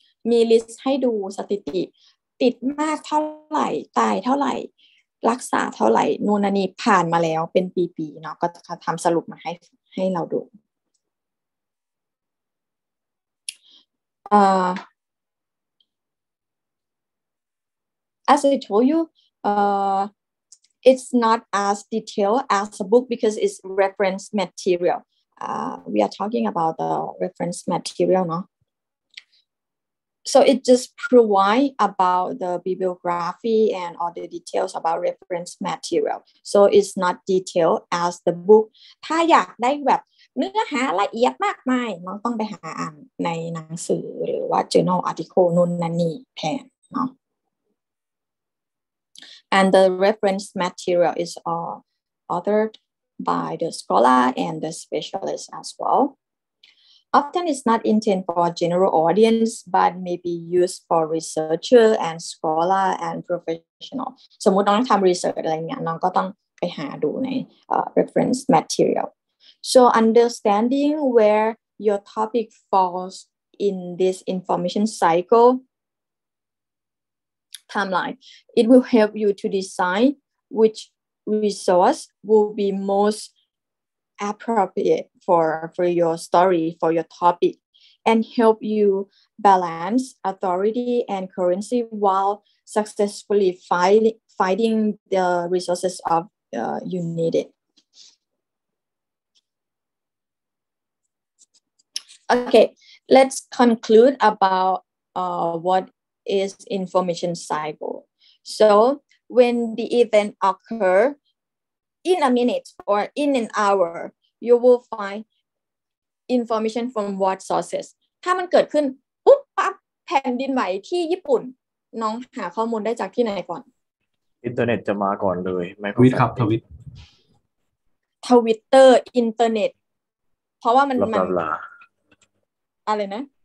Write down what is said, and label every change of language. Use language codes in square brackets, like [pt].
[th] มีลิสต์ให้ดูสถิติติดมากเท่าไหร่ตายเท่าไหร่รักษาเท่าไหร่นู่นนี่ผ่านมาแล้วเป็นปีๆเนาะก็จะทำสรุปมาให้เราดู [en] As I told you, It's not as detailed as a book because it's reference material. We are talking about the reference material, no? So it just provide about the bibliography and all the details about reference material. So it's not detailed as the book. [th] ถ้าอยากได้แบบเนื้อหาละเอียดมากมายน้องต้องไปหาอ่านในหนังสือหรือว่า journal article นู่นนั่นนี่แทนเนาะ [en] And the reference material is authored by the scholar and the specialist as well. Often it's not intended for a general audience, but may be used for researcher and scholar and professional. [th] สมมุติน้องทำ research อะไรเนี่ยน้องก็ต้องไปหาดูใน reference material. [en] So understanding where your topic falls in this information cycle timeline, it will help you to decide which resource will be most appropriate for your story, for your topic, and help you balance authority and currency while successfully finding the resources of you need it. Okay, let's conclude about what is information cycle. So when the event occur in a minute or in an hour, you will find information from what sources. [th] ถ้ามันเกิดขึ้นปุ๊บปั๊บแผ่นดินไหวที่ญี่ปุ่นน้องหาข้อมูลได้จากที่ไหนก่อน อินเทอร์เน็ตจะมาก่อนเลยไ หมครับทวิตเตอร์ อินเทอร์เน็ตเพราะว่ามัน บลาบลา อะไรนะ